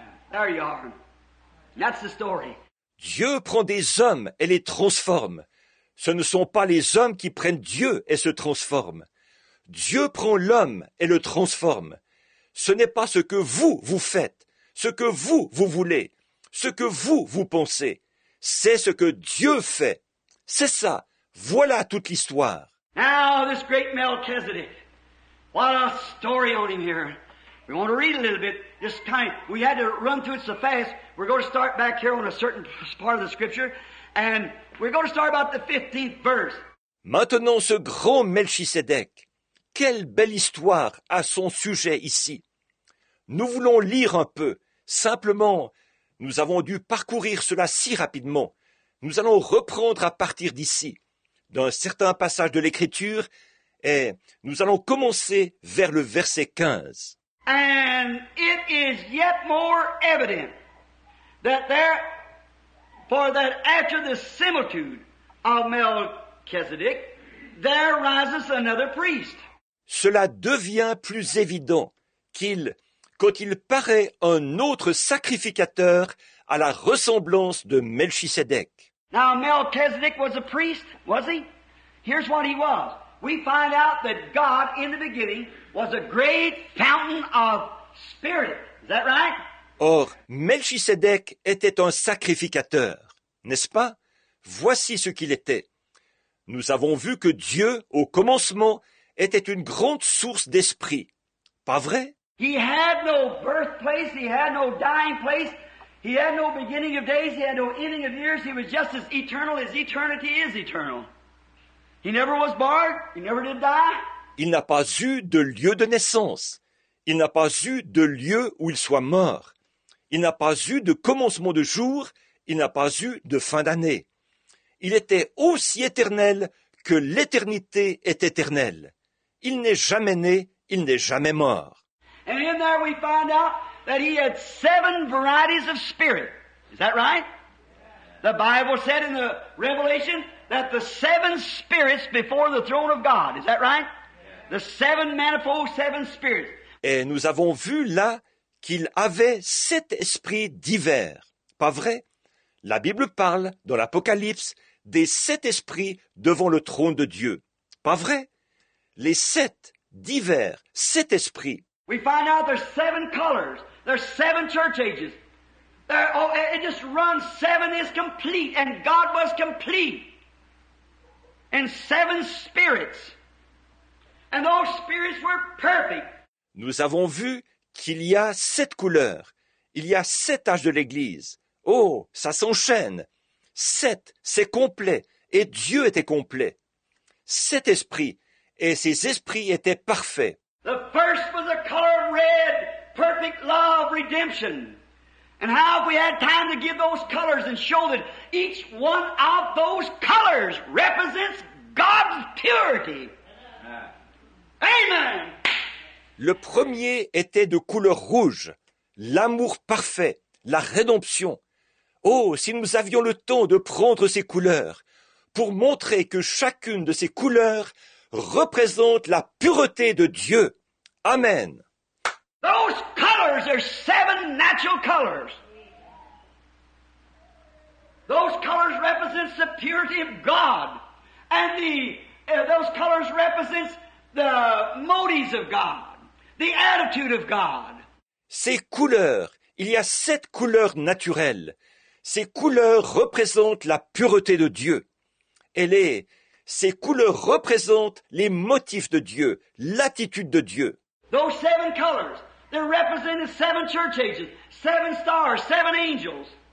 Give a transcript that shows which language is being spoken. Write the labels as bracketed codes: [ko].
[en] There you are. That's the story. [fr] Dieu prend des hommes et les transforme. Ce ne sont pas les hommes qui prennent Dieu et se transforment. Dieu prend l'homme et le transforme. Ce n'est pas ce que vous, vous faites, ce que vous, vous voulez, ce que vous, vous pensez. C'est ce que Dieu fait. C'est ça. Voilà toute l'histoire. [en] Now, this great Melchizedek. What a story on him here. We want to read a little bit. This time, we had to run through it so fast. We're going to start back here on a certain part of the scripture. And we're going to start about the 15th verse. [fr] Maintenant, ce grand Melchizedek. Quelle belle histoire à son sujet ici. Nous voulons lire un peu. Simplement, nous avons dû parcourir cela si rapidement. Nous allons reprendre à partir d'ici, d'un certain passage de l'Écriture, et nous allons commencer vers le verset 15. [en] And it is yet more evident that there, for that after the similitude of Melchizedek, there rises another priest. [fr] Cela devient plus évident qu'il, quand il paraît un autre sacrificateur à la ressemblance de Melchizedek. [en] Now Melchizedek was a priest, was he? Here's what he was. We find out that God in the beginning was a great fountain of spirit. Is that right? [fr] Or, Melchizedek était un sacrificateur, n'est-ce pas? Voici ce qu'il était. Nous avons vu que Dieu, au commencement, était une grande source d'esprit. Pas vrai? [en] He had no birthplace, he had no dying place, he had no beginning of days, he had no ending of years, he was just as eternity is eternal. He never was born, he never did die. [fr] Il n'a pas eu de lieu de naissance. Il n'a pas eu de lieu où il soit mort. Il n'a pas eu de commencement de jour, il n'a pas eu de fin d'année. Il était aussi éternel que l'éternité est éternelle. Il n'est jamais né, il n'est jamais mort. [en] And in there we find out that he had 7 varieties of spirit. Is that right? The Bible said in the Revelation that the 7 spirits before the throne of God. Is that right? The 7 manifold 7 spirits. [fr] Et nous avons vu là qu'il avait 7 esprits divers. Pas vrai? La Bible parle dans l'Apocalypse des 7 esprits devant le trône de Dieu. Pas vrai? Les 7 divers, 7 esprits. [en] We find out there's 7 colors. There's 7 church ages. It just runs. 7 is complete, and God was complete. And 7 spirits. And those spirits were perfect. [fr] Nous avons vu qu'il y a 7 couleurs. Il y a 7 âges de l'Église. Oh, ça s'enchaîne. 7, c'est complet, et Dieu était complet. 7 esprits, et ces esprits étaient parfaits. [en] The first was the color of red, perfect love, redemption. And how if we had time to give those colors and show that each one of those colors represents God's purity. Amen! [fr] Le premier était de couleur rouge, l'amour parfait, la rédemption. Oh, si nous avions le temps de prendre ces couleurs pour montrer que chacune de ces couleurs représente la pureté de Dieu. Amen. [en] Those colors are 7 natural colors. Those colors represent the purity of God and the Those colors represent the motives of God, the attitude of God. [fr] Ces couleurs, il y a sept couleurs naturelles. Ces couleurs représentent la pureté de Dieu. Ces couleurs représentent les motifs de Dieu, l'attitude de Dieu. [en] Those seven colors, they represent the seven church ages, seven stars, seven angels.